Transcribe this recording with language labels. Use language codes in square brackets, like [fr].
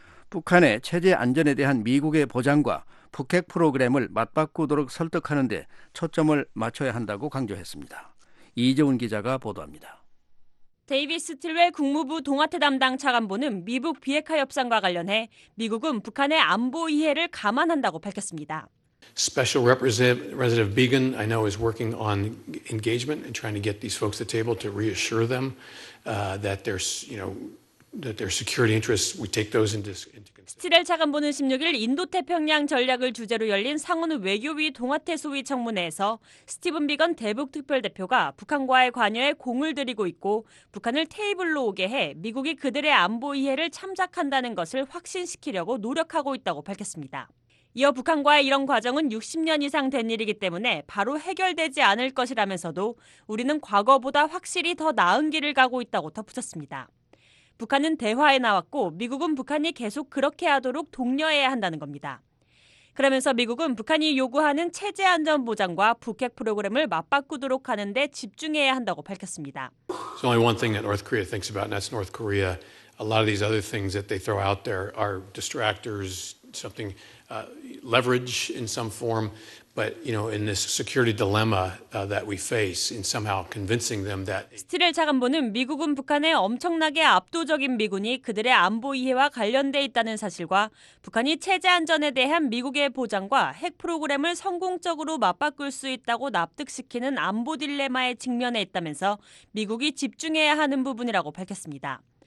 [ko] 북한의 체제 안전에 대한 미국의 보장과 북핵 프로그램을 맞바꾸도록 설득하는 데 초점을 맞춰야 한다고 강조했습니다. 이재훈 기자가 보도합니다. 데이비스 틸웰 국무부 동아태 담당 차관보는 미북 비핵화 협상과 관련해 미국은 북한의 안보 이해를 감안한다고 밝혔습니다. [en] Special Representative Began, I know, is working on engagement and trying to get these folks at the table to reassure them that there's, you know, that their security interests, we take those into consideration. [ko] 스트렐 차관보는 16일 인도태평양 전략을 주제로 열린 상원 외교위 동아태 소위 청문회에서 스티븐 비건 대북특별대표가 북한과의 관여에 공을 들이고 있고 북한을 테이블로 오게 해 미국이 그들의 안보 이해를 참작한다는 것을 확신시키려고 노력하고 있다고 밝혔습니다. 이어 북한과의 이런 과정은 60년 이상 된 일이기 때문에 바로 해결되지 않을 것이라면서도 우리는 과거보다 확실히 더 나은 길을 가고 있다고 덧붙였습니다. 북한은 대화에 나왔고 미국은 북한이 계속 그렇게 하도록 독려해야 한다는 겁니다. 그러면서 미국은 북한이 요구하는 체제 안전 보장과 북핵 프로그램을 맞바꾸도록 하는 데 집중해야 한다고 밝혔습니다. [en] There's only one thing that North Korea thinks about, and that's North Korea. A lot of these other things that they throw out there are distractors, something leverage in some form. But you know, in this security dilemma that we face, in somehow convincing them that [ko] 스트렐 차관보는 미국은 북한의 엄청나게 압도적인 미군이 그들의 안보 이해와 관련돼 있다는 사실과 북한이 체제 안전에 대한 미국의 보장과 핵 프로그램을 성공적으로 맞바꿀 수 있다고 납득시키는 안보 딜레마에 직면해 있다면서 미국이 집중해야 하는 부분이라고 밝혔습니다.